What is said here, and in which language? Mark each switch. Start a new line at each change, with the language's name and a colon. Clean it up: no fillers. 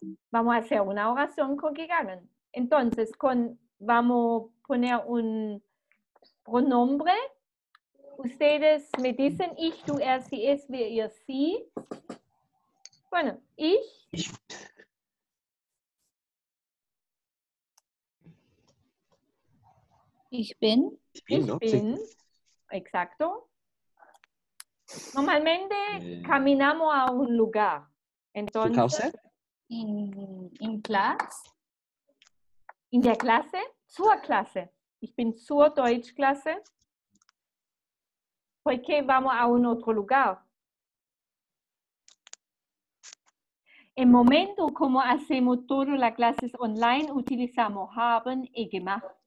Spanish: Vamos a hacer una oración con gegangen. Entonces, vamos a poner un pronombre. Ustedes me dicen
German: ich, du, er, sie, es, wir, ihr, sie.
Spanish: Bueno, ich.
German: Ich bin.
Spanish: Ich bin. Sí. Exacto. Normalmente caminamos a un lugar. Entonces.
English: In class.
German: In der Klasse? Zur Klasse. Ich bin zur Deutschklasse.
Spanish: Porque vamos a un otro lugar. En momento, como hacemos todas las clases online, utilizamos haben y gemacht.